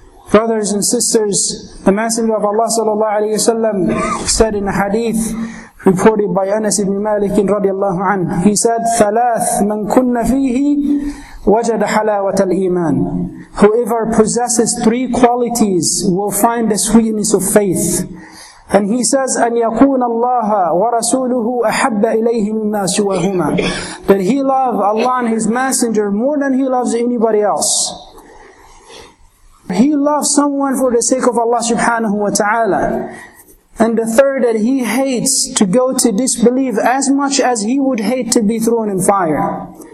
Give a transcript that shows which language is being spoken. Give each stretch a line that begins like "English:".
English: Brothers and sisters, the Messenger of Allah sallallahu alayhi wa sallam said in a hadith reported by Anas ibn Malik radiallahu anhu, he said,
Arabic: ثَلَاثْ مَنْ كُنَّ فِيهِ وَجَدَ حَلَاوَةَ الْإِيمَانِ.
English: Whoever possesses three qualities will find the sweetness of faith. And he says,
Arabic: أَنْ يَكُونَ اللَّهَ وَرَسُولُهُ أَحَبَّ إِلَيْهِ مِمَّا سُوَهُمَا.
English: That he loves Allah and His Messenger more than he loves anybody else. He loves someone for the sake of Allah subhanahu wa ta'ala. And the third, that he hates to go to disbelief as much as he would hate to be thrown in fire.